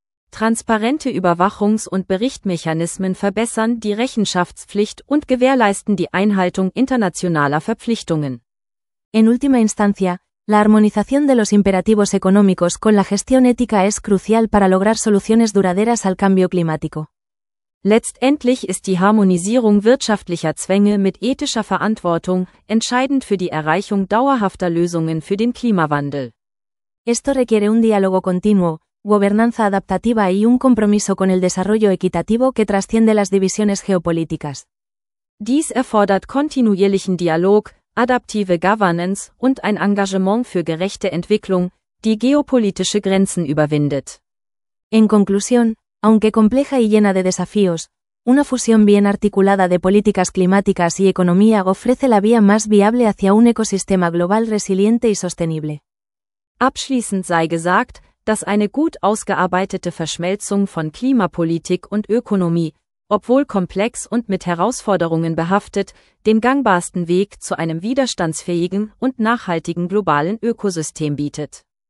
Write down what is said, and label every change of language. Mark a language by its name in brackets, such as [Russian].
[German] Transparente Überwachungs- und Berichtmechanismen verbessern die Rechenschaftspflicht und gewährleisten die Einhaltung internationaler Verpflichtungen. [Spanish] En última instancia, la armonización de los imperativos económicos con la gestión ética es crucial para lograr soluciones duraderas al cambio climático. [German] Letztendlich ist die Harmonisierung wirtschaftlicher Zwänge mit ethischer Verantwortung entscheidend für die Erreichung dauerhafter Lösungen für den Klimawandel. [Spanish] Esto requiere un diálogo continuo, gobernanza adaptativa y un compromiso con el desarrollo equitativo que trasciende las divisiones geopolíticas. [German] Dies erfordert kontinuierlichen Dialog, adaptive Governance und ein Engagement für gerechte Entwicklung, die geopolitische Grenzen überwindet. [Spanish] En conclusión, aunque compleja y llena de desafíos, una fusión bien articulada de políticas climáticas y economía ofrece la vía más viable hacia un ecosistema global resiliente y sostenible. [German] Abschließend sei gesagt, dass eine gut ausgearbeitete Verschmelzung von Klimapolitik und Ökonomie, obwohl komplex und mit Herausforderungen behaftet, den gangbarsten Weg zu einem widerstandsfähigen und nachhaltigen globalen Ökosystem bietet.